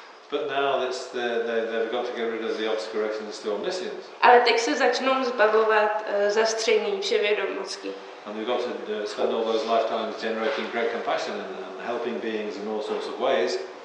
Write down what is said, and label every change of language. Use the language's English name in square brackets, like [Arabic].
[English] But now it's they've got to get rid of the obscurations, the omniscience. [Czech] Ale teď se začnou zbavovat zastření vševědomosti. [English] And we've got to spend all those lifetimes generating great compassion and helping beings in all sorts of ways.